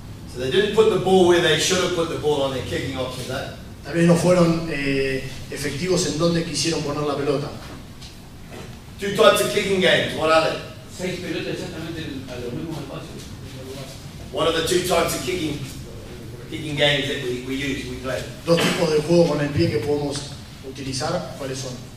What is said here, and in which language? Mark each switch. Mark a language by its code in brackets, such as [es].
[en] So they didn't put the ball where they should have put the ball on their kicking options, eh? [es] Tal vez no fueron efectivos en donde quisieron poner la pelota. [en] 2 types of kicking games, what are they? [es] 6 pelotas exactamente a los mismos espacios. [en] What are the 2 types of kicking games that we use, we play? [es] Dos tipos de juego con el pie que podemos utilizar, ¿cuáles son?